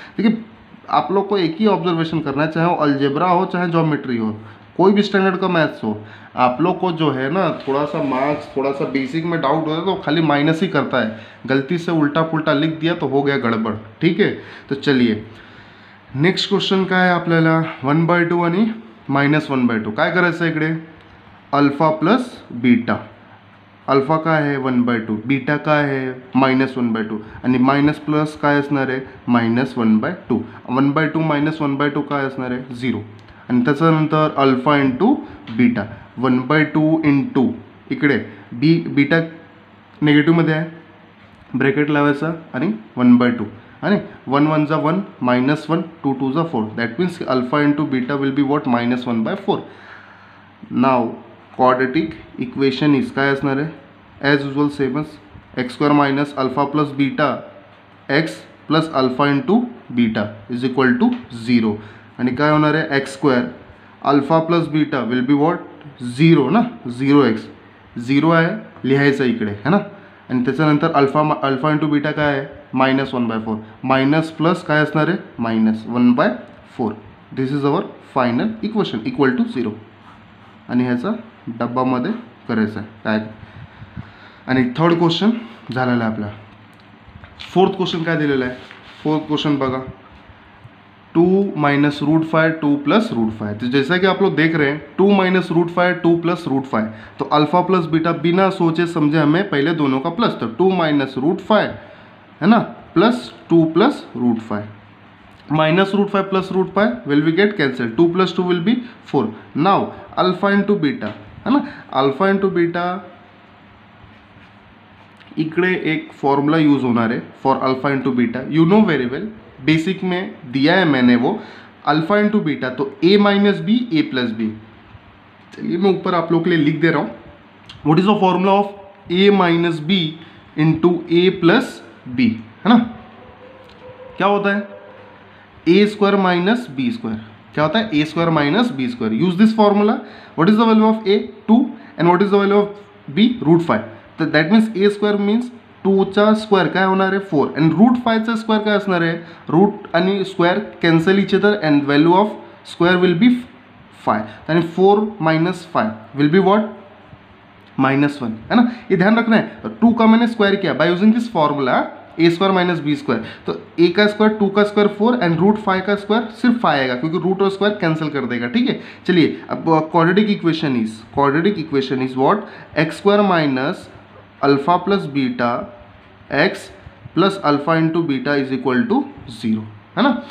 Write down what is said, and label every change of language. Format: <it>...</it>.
<hi>देखिए आप लोग को एक ही ऑब्जर्वेशन करना है, चाहे वो अलजेब्रा हो चाहे ज्योमेट्री हो कोई भी स्टैंडर्ड का मैथ्स हो, आप लोग को जो है ना थोड़ा सा मार्क्स थोड़ा सा बेसिक में डाउट होता है तो खाली माइनस ही करता है, गलती से उल्टा पुल्टा लिख दिया तो हो गया गड़बड़ ठीक है। तो चलिए नेक्स्ट क्वेश्चन का है, आप लेना वन बाय टू यानी माइनस वन बाय टू, क्या</hi> <mr>करायचं इकड़े</mr> <hi>अल्फा प्लस बीटा</hi> <mr>अल्फा काय आहे 1/2, बीटा काय आहे -1/2, आणि मायनस प्लस काय असणार आहे -1/2. 1/2 -1/2 काय असणार आहे 0, आणि त्याच्यानंतर अल्फा इंटू बीटा 1/2 इंटू इकडे बी बीटा निगेटिवमध्ये आहे, ब्रेकेट लावायचं आणि 1/2 आणि 1 1 जा 1, -1, 2 2 जा 4,</mr> <en>that means alpha into beta will be what</en> <mr>-1/4. Now quadratic equation is काय असणार आहे, ॲज युजल सेमच, x² - α + β, x + α × β is equal to 0. आणि काय होणार आहे, x² α + β विल बी वॉट 0 ना, 0x 0 आहे लिहायचं इकडे, है ना. आणि त्याच्यानंतर अल्फा इंटू बीटा काय आहे, -1/4, मायनस प्लस काय असणार आहे, -1/4.</mr> <en>This is our final equation equal to 0.</en> <mr>आणि ह्याचा डब्बामध्ये करायचं आहे काय. आणि थर्ड क्वेश्चन झालेला आहे आपला. फोर्थ क्वेश्चन काय दिलेला आहे, फोर्थ क्वेश्चन बघा, 2 - √5 2 + √5.</mr> <hi>तो जैसा कि आप लोग देख रहे हैं, 2 - √5 2 + √5, तो अल्फा प्लस बीटा बिना सोचे समझे हमें पहले दोनों का प्लस, तो 2 - √5 है ना +2 + √5.</hi> <en>-√5 + √5 will be get cancel, 2 + 2 will be 4.</en> <hi>Now alpha into beta है ना, अल्फा इंटू बीटा इकड़े एक फॉर्मूला यूज होना है for alpha into beta,</hi> <en>you know very well,</en> <hi>basic में दिया है मैंने वो अल्फा इंटू बीटा. तो ए माइनस बी ए प्लस बी, चलिए मैं ऊपर आप लोग के लिए लिख दे रहा हूँ.</hi> <en>what is the formula of a minus b into a plus b, है ना,</en> <hi>क्या होता है,</hi> <en>A square minus b square, क्या होता है, a square minus b square. Use this formula, what is the value of a 2 and what is the value of b √5.</en> <mr>तो that means A square means 2 square काय होणार आहे 4, एंड √5 स्क्वायर काय असणार आहे, रूट आणि square</mr> <en>cancel each other and value of square will be 5,</en> <mr>आणि 4 - 5 will be what -1,</mr> <hi>है ना, ये ध्यान रखना है. 2 का मैंने स्क्वायर किया by using this formula A square minus B square, तो ए का स्क्वायर 2 का स्क्वायर 4 एंड √5 का स्क्वायर सिर्फ 5 आएगा, क्योंकि रूट और स्क्वायर कैंसिल कर देगा, ठीक है. चलिए अब quadratic equation is what, x² - α + β, x + α × β is equal to 0, है ना.</hi>